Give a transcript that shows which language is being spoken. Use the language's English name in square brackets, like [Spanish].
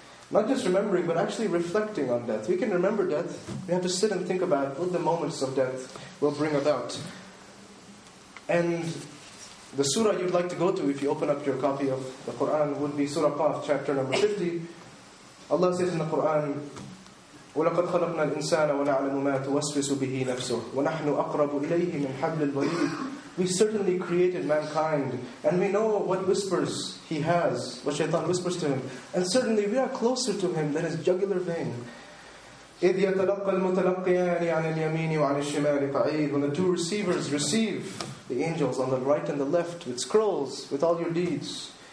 [English] Not just remembering, but actually reflecting on death. We can remember death, we have to sit and think about what the moments of death will bring about. And the surah you'd like to go to, if you open up your copy of the Qur'an, would be Surah Qaf, chapter number 50. Allah says in the Qur'an, [Arabic] وَلَقَدْ خَلَقْنَا الْإِنسَانَ وَنَعْلَمُ مَا تُوَسْوِسُ بِهِ نَفْسُهُ وَنَحْنُ أَقْرَبُ إِلَيْهِ مِنْ حَبْلِ الْوَرِيدِ. [English] We certainly created mankind, and we know what whispers he has, what shaitan whispers to him. And certainly we are closer to him than his jugular vein. [Arabic] إِذْ يَتَلَقَّ الْمُتَلَقِّيَانِ عَنِ الْيَمِينِ وَعَنِ الشِّمَالِ قَعِيدٌ. [English] When the two receivers receive, the angels on the right and the left, with scrolls, with all your deeds.